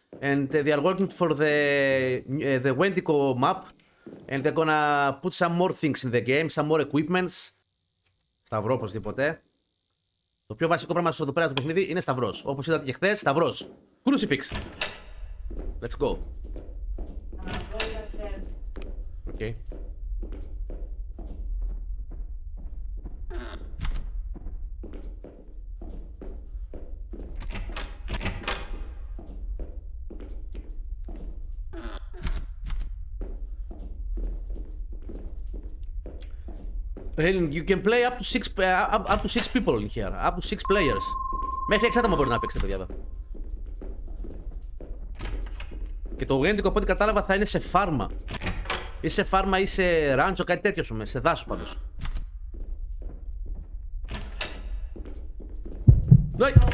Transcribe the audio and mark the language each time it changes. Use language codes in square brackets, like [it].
[en] And they are working for the Wendigo map, and they're gonna put some more things in the game, some more equipments. [el] Σταυρό οπωσδήποτε. Το πιο βασικό πράγμα στο εδώ πέρα του παιχνίδι είναι σταυρός. Όπως είδατε και χθες, σταυρός. [en] Crucifix. Let's go. Okay. You can play up to six people in here, up to six players. [el] Μέχρι 6 άτομα μπορεί να παίξετε, παιδιά. Και το γενικό, από ό,τι κατάλαβα, θα είναι σε φάρμα. Ή σε φάρμα ή σε ράντσο, κάτι τέτοιο, σου με, σε δάσο πάντως. Ναι!